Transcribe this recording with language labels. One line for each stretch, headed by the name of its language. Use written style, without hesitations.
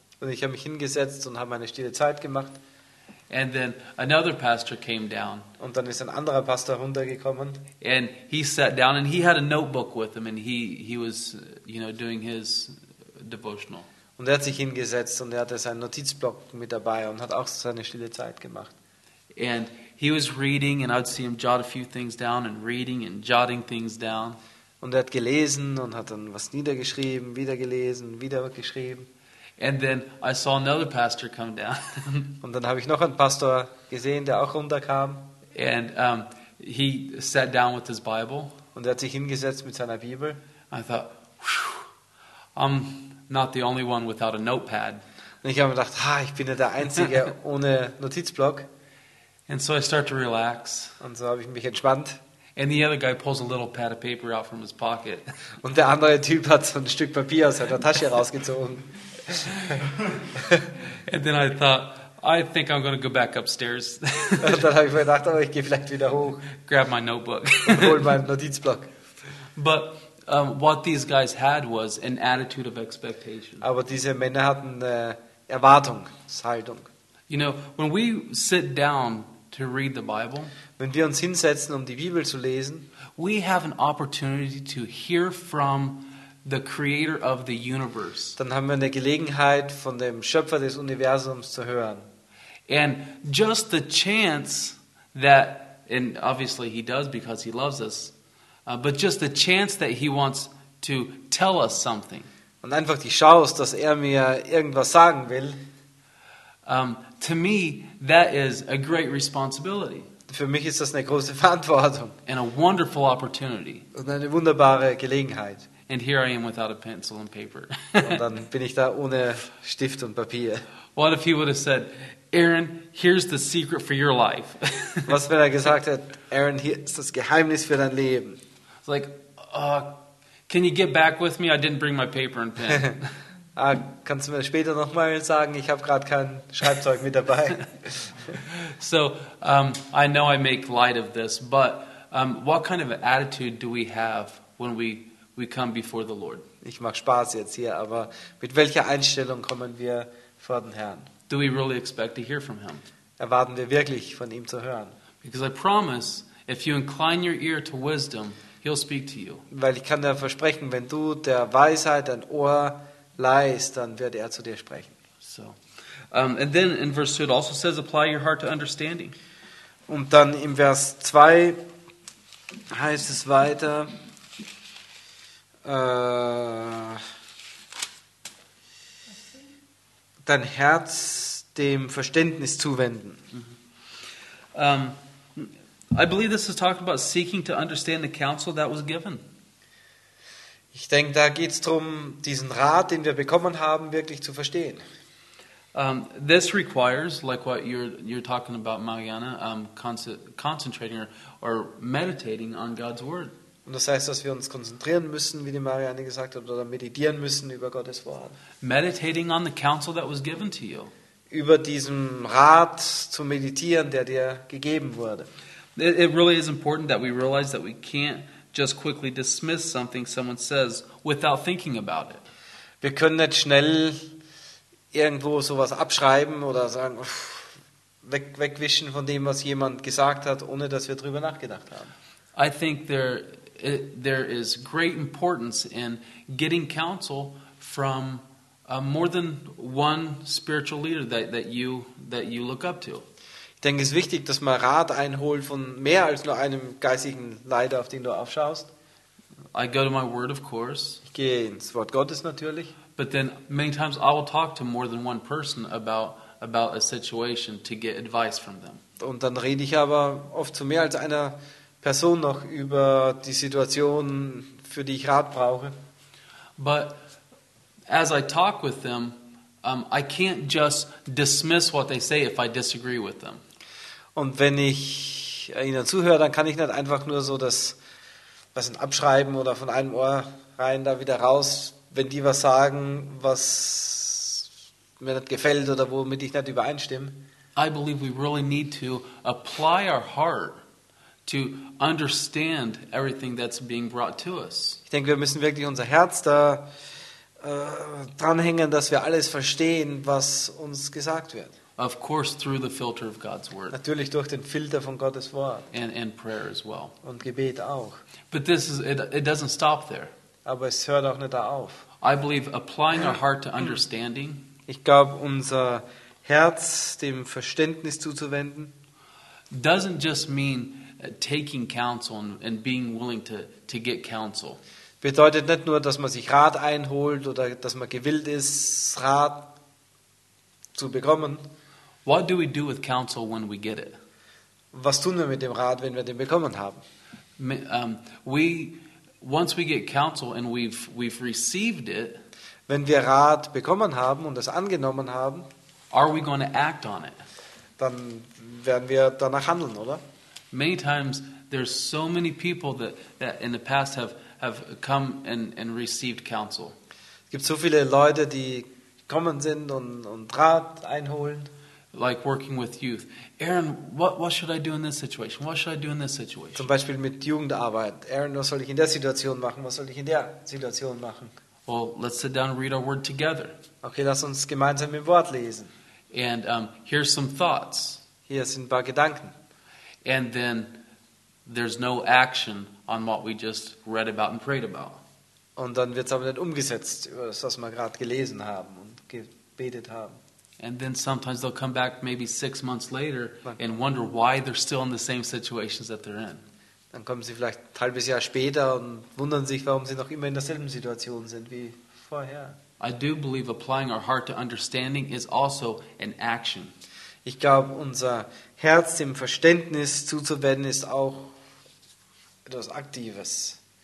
German: Und ich habe mich hingesetzt und habe meine stille Zeit gemacht.
English: And then another pastor came down.
German: Und dann ist ein anderer Pastor runtergekommen.
English: And he sat down and he had a notebook with him and he was, you know, doing his devotional.
German: Und er hat sich hingesetzt und er hatte seinen Notizblock mit dabei und hat auch seine stille Zeit gemacht.
English: And he was reading and I'd see him jot a few things down and reading and jotting things down.
German: Und er hat gelesen und hat dann was niedergeschrieben, wieder gelesen, wieder geschrieben.
English: And then I saw another pastor come down.
German: Und dann habe ich noch einen Pastor gesehen, der auch runterkam.
English: And he sat down with his Bible.
German: Und er hat sich hingesetzt mit seiner Bibel.
English: I thought, I'm not the only one without a notepad.
German: Und ich habe mir gedacht, ich bin ja der Einzige ohne Notizblock.
English: And so I start to relax.
German: Und so habe ich mich entspannt.
English: And the other guy pulls a little pad of paper out from his pocket.
German: Und der andere Typ hat so ein Stück Papier aus seiner Tasche rausgezogen.
English: And then I thought, I think I'm going to go back upstairs.
German: Und dann habe ich mir gedacht, ich gehe vielleicht wieder hoch.
English: Grab my notebook.
German: Und hol meinen Notizblock.
English: But what these guys had was an attitude of expectation.
German: Aber diese Männer hatten eine Erwartungshaltung.
English: You know, when we sit down to read the Bible,
German: wenn wir uns hinsetzen, um die Bibel zu lesen,
English: we have an opportunity to hear from the creator of the universe.
German: Dann haben wir eine Gelegenheit, von dem Schöpfer des Universums zu hören.
English: And just the chance that, and obviously he does because he loves us, but just the chance that he wants to tell us something.
German: Und einfach die Chance, dass mir irgendwas sagen will.
English: To me, that is a great responsibility.
German: Für mich ist das eine große Verantwortung.
English: And a wonderful opportunity.
German: Und eine wunderbare Gelegenheit.
English: And here I am without a pencil and paper.
German: Und dann bin ich da ohne Stift und Papier.
English: What if he would have said, Aaron, here's the secret for your life.
German: Was wenn gesagt hat, Aaron, hier ist das Geheimnis für dein Leben.
English: It's like, can you get back with me? I didn't bring my paper and pen.
German: Ah, kannst du mir später nochmal sagen? Ich habe gerade kein Schreibzeug mit dabei.
English: So, I know I make light of this, but what kind of attitude do we have when we come before the Lord?
German: Ich mache Spaß jetzt hier, aber mit welcher Einstellung kommen wir vor den Herrn?
English: Do we really expect to hear from him?
German: Erwarten wir wirklich, von ihm zu hören?
English: Because I promise, if you incline your ear to wisdom, he'll speak to you.
German: Weil ich kann dir versprechen, wenn du der Weisheit ein Ohr leist, dann wird zu dir sprechen.
English: So, and then in verse 2 it also says, apply your heart to understanding.
German: Und dann im Vers 2 heißt es weiter, dein Herz dem Verständnis zuwenden.
English: I believe this is talking about seeking to understand the counsel that was given.
German: Ich denke, da geht es darum, diesen Rat, den wir bekommen haben, wirklich zu verstehen.
English: This requires, like what you're talking about, Mariana, concentrating or meditating on God's word.
German: Und das heißt, dass wir uns konzentrieren müssen, wie die Marianne gesagt hat, oder meditieren müssen über Gottes Wort.
English: Meditating on the counsel that was given to you.
German: Über diesen Rat zu meditieren, der dir gegeben wurde.
English: It really is important that we realize that we can't just quickly dismiss something someone says without thinking about it.
German: Wir können nicht schnell irgendwo sowas abschreiben oder sagen, wegwischen von dem, was jemand gesagt hat, ohne dass wir drüber nachgedacht haben.
English: I think there is great importance in getting counsel from more than one spiritual leader that you look up to.
German: Ich denke, es ist wichtig, dass man Rat einholt von mehr als nur einem geistigen Leiter, auf den du aufschaust.
English: I go to my word, of course.
German: Ich gehe ins Wort Gottes natürlich.
English: But then many times I will talk to more than one person about a situation to get advice from them.
German: Und dann rede ich aber oft zu mehr als einer Person noch über die Situation, für die ich Rat brauche.
English: But as I talk with them, I can't just dismiss what they say if I disagree with them.
German: Und wenn ich ihnen zuhöre, dann kann ich nicht einfach nur so das was ein abschreiben oder von einem Ohr rein da wieder raus, wenn die was sagen, was mir nicht gefällt oder womit ich nicht übereinstimme.
English: I believe we really need to apply our heart to understand everything that's being brought to us.
German: Ich denke, wir müssen wirklich unser Herz da dranhängen, dass wir alles verstehen, was uns gesagt wird.
English: Of course, through the filter of God's word.
German: Natürlich durch den Filter von Gottes Wort.
English: And prayer as well.
German: Und Gebet auch.
English: But this is it doesn't stop there.
German: Aber es hört auch nicht da auf.
English: I believe applying our heart to understanding.
German: Ich glaube, unser Herz dem Verständnis zuzuwenden.
English: Doesn't just mean taking counsel and being willing to get counsel.
German: Bedeutet nicht nur, dass man sich Rat einholt oder dass man gewillt ist, Rat zu bekommen.
English: What do we do with counsel when we get it?
German: Was tun wir mit dem Rat, wenn wir den bekommen haben?
English: Once we get counsel and we've received it,
German: wenn wir Rat bekommen haben und es angenommen haben,
English: are we going to act on it?
German: Dann werden wir danach handeln, oder?
English: Many times there's so many people that in the past have come and received counsel.
German: Es gibt so viele Leute, die kommen sind und Rat einholen.
English: Like working with youth. Aaron, what should I do in this situation? What should I do in this situation?
German: Zum Beispiel mit Jugendarbeit. Aaron, was soll ich in der Situation machen? Was soll ich in der Situation machen?
English: Well, let's sit down and read our word together.
German: Okay, lass uns gemeinsam im Wort lesen.
English: And here's some thoughts.
German: Hier sind ein paar Gedanken.
English: And then there's no action on what we just read about and prayed about.
German: Und dann wird es aber nicht umgesetzt, über das, was wir gerade gelesen haben und gebetet haben.
English: And then sometimes they'll come back maybe 6 months later and wonder why they're still in the same situations that they're in.
German: Dann kommen sie vielleicht ein halbes Jahr später und wundern sich, warum sie noch immer in derselben Situation sind wie vorher.
English: I do believe applying our heart to understanding is also an action.
German: Ich glaube, unser Herz dem Verständnis zuzuwenden ist auch etwas Aktives.